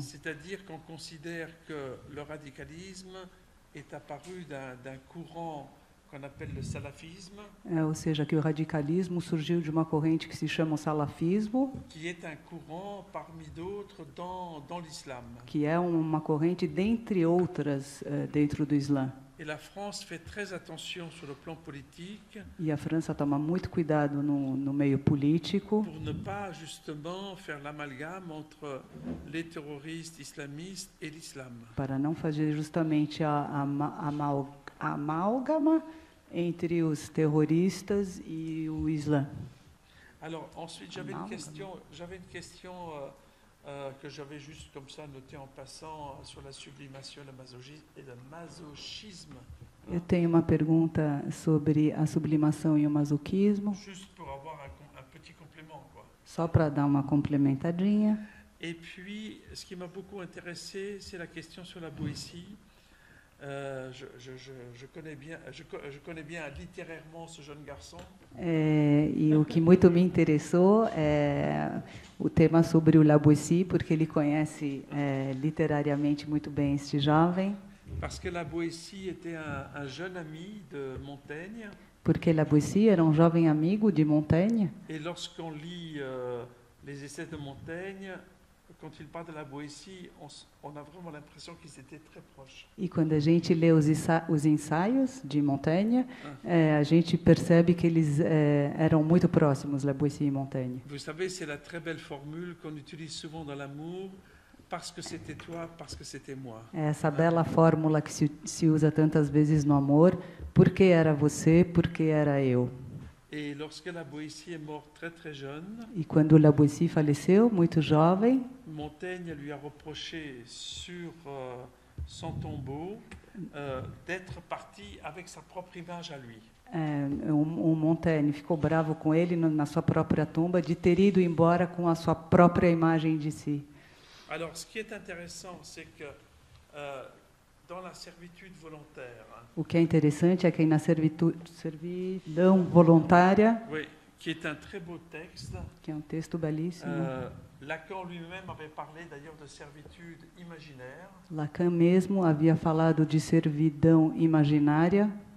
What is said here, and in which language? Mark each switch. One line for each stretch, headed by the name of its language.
French: C'est-à-dire qu'on considère que le radicalisme est apparu d'un courant qu'on appelle le salafisme.
Portuguese: Ou seja, que o radicalismo surgiu de uma corrente que se chama salafismo.
French: Qui est un courant parmi d'autres dans l'islam.
Portuguese: Que é uma corrente dentre outras dentro do Islã.
French: Et la France fait très attention sur le plan politique.
Portuguese: E a França toma muito cuidado no meio político.
French: Pour ne pas justement faire l'amalgame entre les terroristes islamistes et l'islam.
Portuguese: Para não fazer justamente a amálgama entre os terroristas e o Islã.
French: Alors ensuite j'avais une question que j'avais juste comme ça noté en passant sur la sublimation et le masochisme.
Portuguese: Eu tenho uma pergunta sobre a sublimação e o masoquismo.
French: Juste pour avoir un petit complément quoi.
Portuguese: Só para dar uma complementadinha.
French: Et puis ce qui m'a beaucoup intéressé, c'est la question sur la poésie. Je connais bien littérairement ce jeune garçon.
Portuguese: E o que muito me interessou é o tema sobre o Labouessi, porque ele conhece literariamente muito bem este jovem.
French: Parce que Labouessi était un jeune ami de Montaigne.
Portuguese: Porque Labouessi era um jovem amigo de Montaigne.
French: Et lorsqu'on lit les essais de Montaigne, quand il parle de la Boétie, on a vraiment l'impression qu'ils étaient très proches.
Portuguese: E quando a gente lê os ensaios de Montaigne, a gente percebe que eles eram muito próximos, La Boétie et Montaigne.
French: Vous savez, c'est la très belle formule qu'on utilise souvent dans l'amour, parce que c'était toi, parce que c'était moi.
Portuguese: Essa bela fórmula que se usa tantas vezes no amor, porque era você, porque era eu.
French: Et lorsque la Boétie est mort très très jeune.
Portuguese: E quando La Boétie faleceu muito jovem.
French: Montaigne lui a reproché sur son tombeau d'être parti avec sa propre image à lui.
Portuguese: O Montaigne ficou bravo com ele na sua própria tumba de ter ido embora com a sua própria imagem de si.
French: Alors ce qui est intéressant c'est que dans la servitude volontaire.
Portuguese: O que é interessante é que na servidão voluntária,
French: oui, qui est un très beau texte,
Portuguese: que é um texto belíssimo.
French: Lacan lui-même avait parlé d'ailleurs de servitude imaginaire.
Portuguese: Lacan mesmo havia falado de servidão imaginária.